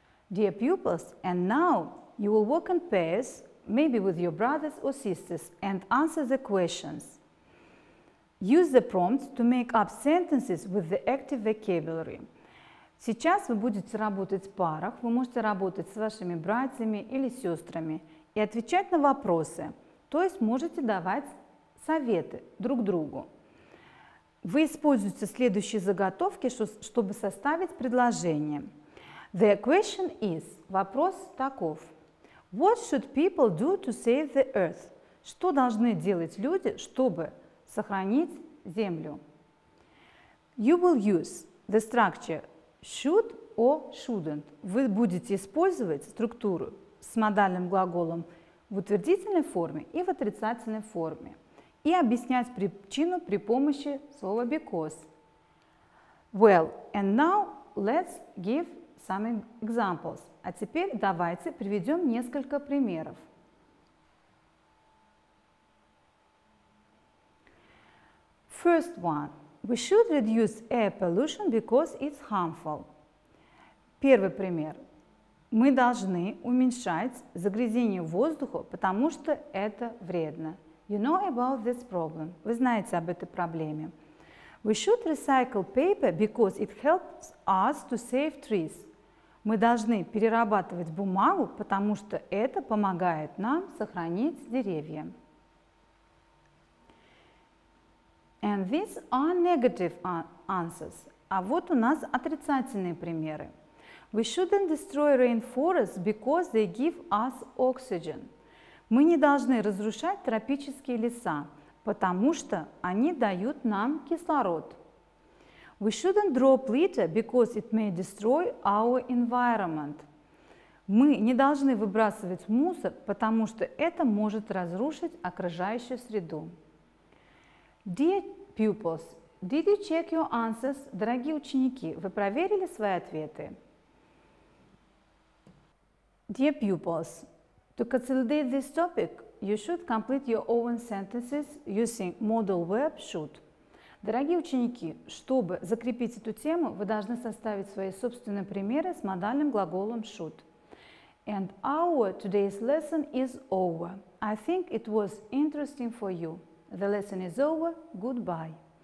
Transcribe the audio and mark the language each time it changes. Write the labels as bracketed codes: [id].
[en] Dear pupils, and now you will walk in pairs, maybe with your brothers or sisters, and answer the questions. Use the prompts to make up sentences with the active vocabulary. [ru] Сейчас вы будете работать в парах, вы можете работать с вашими братьями или сестрами и отвечать на вопросы. То есть можете давать советы друг другу. Вы используете следующие заготовки, чтобы составить предложение. [en] The question is, [ru] вопрос таков. [en] What should people do to save the earth? [ru] Что должны делать люди, чтобы сохранить землю? [en] You will use the structure should or shouldn't. [ru] Вы будете использовать структуру с модальным глаголом в утвердительной форме и в отрицательной форме. И объяснять причину при помощи слова because. [en] Well, and now let's give some examples. [ru] А теперь давайте приведем несколько примеров. [en] First one. We should reduce air pollution because it's harmful. [ru] Первый пример. Мы должны уменьшать загрязнение воздуха, потому что это вредно. [en] You know about this problem. [ru] Вы знаете об этой проблеме. [en] We should recycle paper because it helps us to save trees. [ru] Мы должны перерабатывать бумагу, потому что это помогает нам сохранить деревья. [en] And these are negative answers. [ru] А вот у нас отрицательные примеры. [en] We shouldn't destroy rainforests because they give us oxygen. [ru] Мы не должны разрушать тропические леса, потому что они дают нам кислород. [en] We shouldn't drop litter because it may destroy our environment. [ru] Мы не должны выбрасывать мусор, потому что это может разрушить окружающую среду. [en] Dear pupils, did you check your answers? [ru] Дорогие ученики, вы проверили свои ответы? [en] Dear pupils, to consolidate this topic, you should complete your own sentences using model verb should. [ru] Дорогие ученики, чтобы закрепить эту тему, вы должны составить свои собственные примеры с модальным глаголом should. [en] And our today's lesson is over. I think it was interesting for you. The lesson is over. Goodbye.